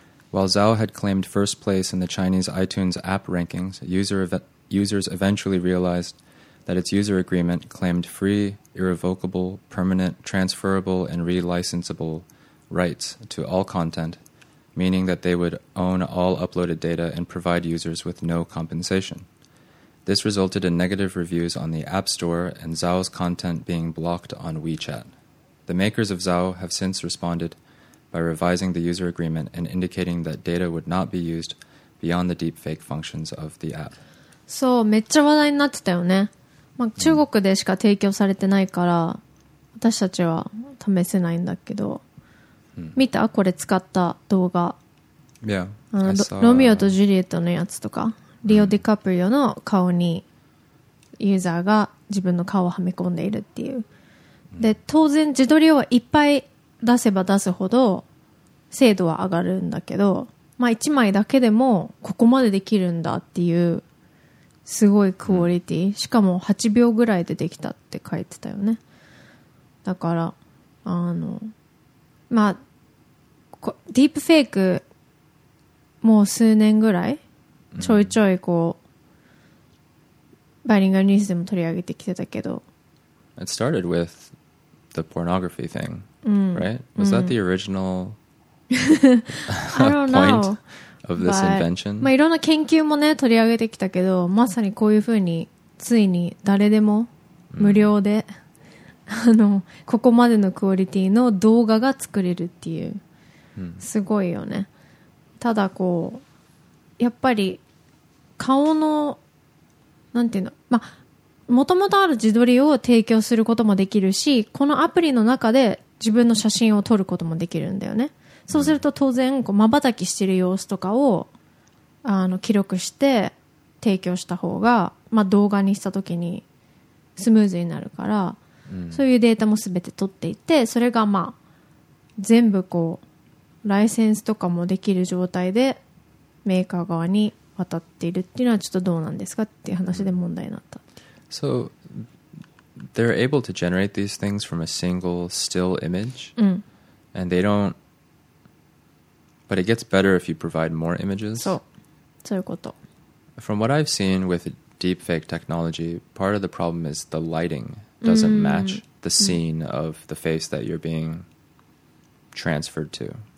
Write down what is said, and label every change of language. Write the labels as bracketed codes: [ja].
[en] While Zao had claimed first place in the Chinese iTunes app rankings, users eventually realized that its user agreement claimed free, irrevocable, permanent, transferable, and relicensable rights to all content, meaning that they would own all uploaded data and provide users with no compensation. This resulted in negative reviews on the App Store and Zao's content being blocked on WeChat. The makers of Zao have since respondedby revising the user agreement and indicating that data would not be used beyond the deepfake functions of the app. [ja] そう、めっちゃ話題になってたよね。まあ、中国でしか提供されてないから、私たちは試せないんだけど。見た？これ使った動画。 [en] Yeah. [ja] あの、ロミオとジュリエットのやつとか、リオ・ディカプリオの顔にユーザーが自分の顔をはめ込んでいるっていう。で、当然自撮りはいっぱい出せば出すほど精度は上がるんだけど、まあ1枚だけでもここまでできるんだっていうすごいクオリティ、うん、しかも8秒ぐらいでできたって書いてたよね。だからあのまあディープフェイクもう数年ぐらいちょいちょいこう、うん、バイリンガルニュースでも取り上げてきてたけど、 [en] It started with the pornography thingRight? Was that the original point of this invention? [ja] まあいろんな研究もね取り上げてきたけど、まさにこういうふうについに誰でも無料で、mm. あのここまでのクオリティの動画が作れるっていう、すごいよね。ただこうやっぱり顔のなんていうの、まあ。元々ある自撮りを提供することもできるし、このアプリの中で自分の写真を撮ることもできるんだよね。そうすると当然こう瞬きしてる様子とかをあの記録して提供した方が、まあ、動画にした時にスムーズになるから、そういうデータも全て取っていて、それがまあ全部こうライセンスとかもできる状態でメーカー側に渡っているっていうのはちょっとどうなんですかっていう話で問題になった。 [en] So they're able to generate these things from a single still image, and they don't. But it gets better if you provide more images. [ja] そう、そういうこと。 [en] From what I've seen with deepfake technology, part of the problem is the lighting doesn't match the scene of the face that you're being transferred to.